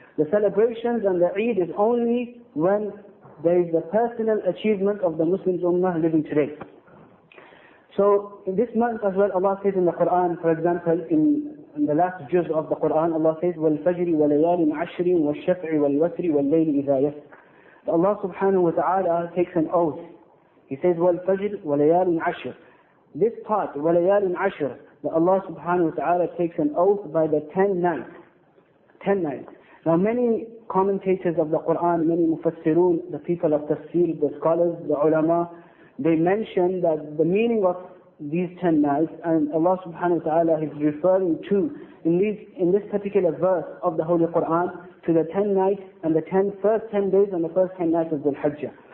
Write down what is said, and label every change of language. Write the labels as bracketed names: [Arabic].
[English] The celebrations and the Eid is only when there is the personal achievement of the Muslims Ummah living today. So in this month as well, Allah says in the Quran, for example, in the last juz of the Quran, Allah says, [Arabic] وَالْفَجْرِ وَلَيَالٍ عَشْرٍ وَالشَّفْعِ وَالْوَتْرِ وَاللَّيْلِ إِذَا يَسْرِ. [English] Allah subhanahu wa ta'ala takes an oath. He says, [Arabic] وَالْفَجْرِ وَلَيَالٍ عَشْرٍ. [English] This part, [Arabic] وَلَيَالٍ عَشْرٍ, [English] that Allah subhanahu wa ta'ala takes an oath by the 10 nights. 10 nights. Now many commentators of the Quran, many mufassirun, the people of tafsir, the scholars, the ulama, they mention that the meaning of these 10 nights, and Allah subhanahu wa ta'ala is referring to, in this particular verse of the Holy Quran, to the 10 nights and the first 10 days and the first 10 nights of Dhul-Hijjah.